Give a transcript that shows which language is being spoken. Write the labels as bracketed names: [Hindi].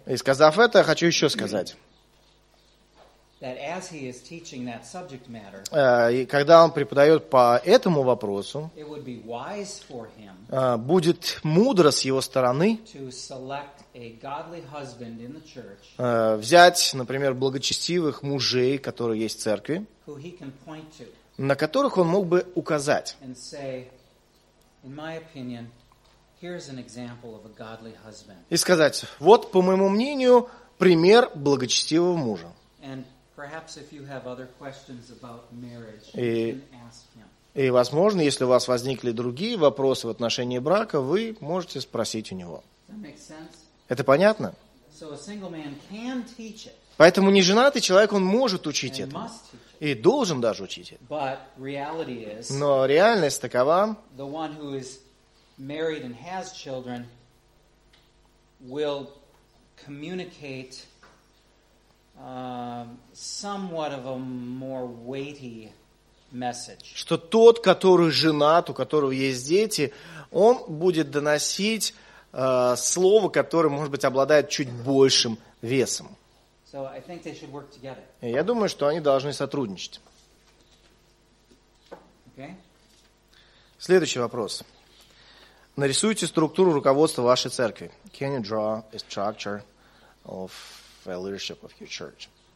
[Russian] и сказав это, я хочу еще сказать, [English] that as he is teaching that subject matter, [Russian] и когда он преподает по этому вопросу, [English] it would be wise for him, [Russian] будет мудро с его стороны [English] to select a godly husband in the church, [Russian] взять, например, благочестивых мужей, которые есть в церкви, [English] who he can point to, [Russian] на которых он мог бы указать. [English] And say, in my opinion, here's an example of a godly husband. [Russian] И сказать, вот, по моему мнению, пример благочестивого мужа. [English] And perhaps if you have other questions about marriage, you can ask him. [Russian] И, возможно, если у вас возникли другие вопросы в отношении брака, вы можете спросить у него. [English] That makes sense? [Russian] Это понятно? [English] So a single man can teach it. [Russian] Поэтому неженатый человек, он может учить это. И должен даже учить это. [English] But reality is, [Russian] но реальность такова, [English] the one who is married and has children will communicate somewhat of a more weighty message. [Russian] Что тот, который женат, у которого есть дети, он будет доносить слово, которое, может быть, обладает чуть большим весом. [English] So I think they should work together. [Russian] Я думаю, что они должны сотрудничать. [English] Okay. [Russian] Следующий вопрос. Нарисуйте структуру руководства вашей церкви. [English] Can you draw a structure of a leadership of your church?